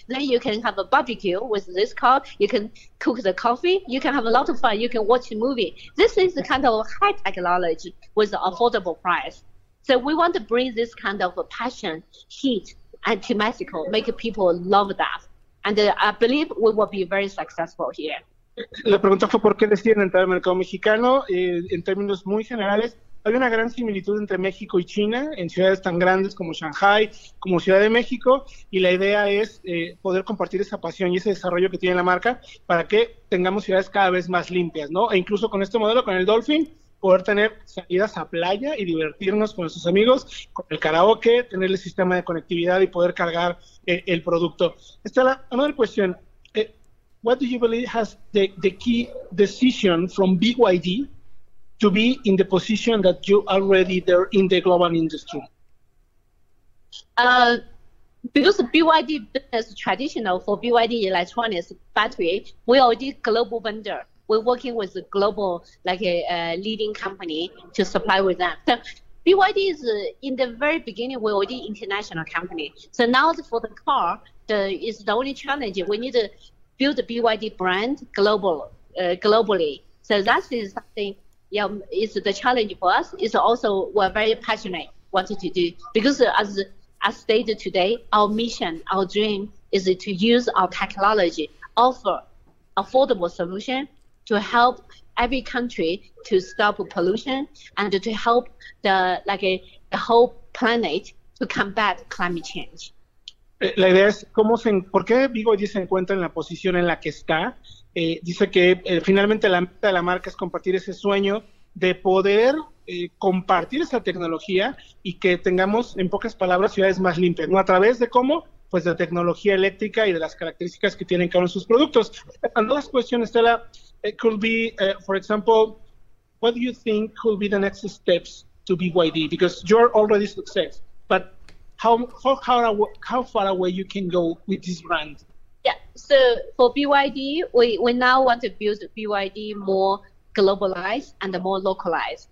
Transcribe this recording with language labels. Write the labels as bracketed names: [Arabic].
[English] Then you can have a barbecue with this car. You can cook the coffee. You can have a lot of fun. You can watch a movie. This is the kind of high technology with affordable price. So we want to bring this kind of a passion, heat, and to Mexico, make people love that. And I believe we will be very successful here. [Spanish] La pregunta fue por qué deciden entrar al mercado mexicano. En términos muy generales, hay una gran similitud entre México y China en ciudades tan grandes como Shanghai, como Ciudad de México, y la idea es poder compartir esa pasión y ese desarrollo que tiene la marca para que tengamos ciudades cada vez más limpias, ¿no? E incluso con este modelo, con el Dolphin, poder tener salidas a playa y divertirnos con nuestros amigos, con el karaoke, tener el sistema de conectividad y poder cargar el producto. [English] Estela, another question. What do you believe has the key decision from BYD to be in the position that you already there in the global industry? Because BYD is traditional for BYD electronics battery, we are the global vendor. We're working with a global, leading company to supply with them. So BYD is, in the very beginning, we're already international company. So now for the car, is the only challenge. We need to build the BYD brand globally. So that is something, is the challenge for us. It's also, we're very passionate wanting to do. Because as stated today, our mission, our dream is to use our technology, offer affordable solution, to help every country to stop pollution and to help the whole planet to combat climate change. [Spanish] La idea es cómo se, por qué BYD se encuentra en la posición en la que está. Dice que finalmente la meta de la marca es compartir ese sueño de poder compartir esa tecnología y que tengamos, en pocas palabras, ciudades más limpias, ¿no? A través de cómo, pues de tecnología eléctrica y de las características que tienen cada uno de sus productos. [English] Another question, Stella. It could be, for example, what do you think could be the next steps to BYD? Because you're already success, but how far away you can go with this brand? Yeah, so for BYD, we now want to build BYD more globalized and more localized.